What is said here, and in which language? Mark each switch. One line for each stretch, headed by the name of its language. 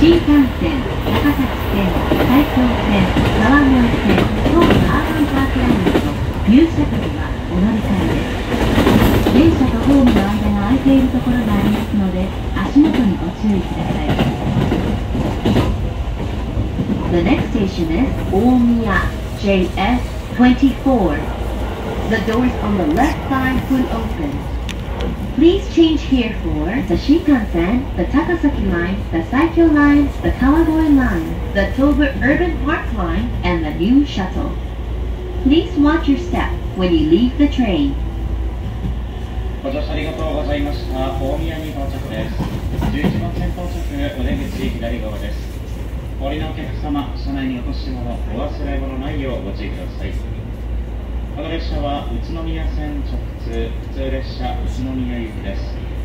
Japanese: 新幹線、高崎線、埼京線、川越線、東武アーバンパークラインと入社時はお乗り換えです。電車とホームの間が空いているところがありますので、足元にご注意ください。
English: The next station is 大宮 JS24. The doors on the left side will open. Please change here for the Shinkansen, the Takasaki Line, the Saikyo Line, the Kawagoe Line, the Tobu Urban Park Line, and the new shuttle. Please watch your step when you leave the train.
Japanese: ご乗車ありがとうございました。大宮に到着です。11番線到着、お出口左側です。降りのお客様、車内に落とし物、お忘れ物ないようご注意ください。この列車は宇都宮線直通、普通列車宇都宮行きです。